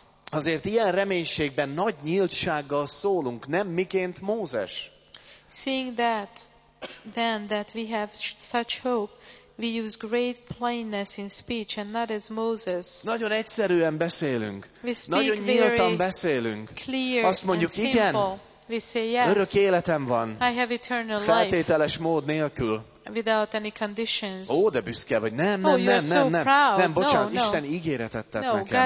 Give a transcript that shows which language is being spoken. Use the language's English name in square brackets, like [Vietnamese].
[Hungarian] Azért ilyen reménységben nagy nyíltsággal szólunk, nem miként Mózes. [English] Seeing that, then, that we have such hope, we use great plainness in speech and not as Moses. [Hungarian] Nagyon egyszerűen beszélünk. Nagyon nyíltan beszélünk. Azt mondjuk, igen, örök életem van. [English] I have eternal life. [Hungarian] Feltételes mód nélkül. [English] Without any conditions. [Hungarian] Ó, de büszke vagy. Nem. [English] Proud. [Hungarian] Nem, bocsánat, [English] no, [Hungarian] Isten ígéretet tett nekem.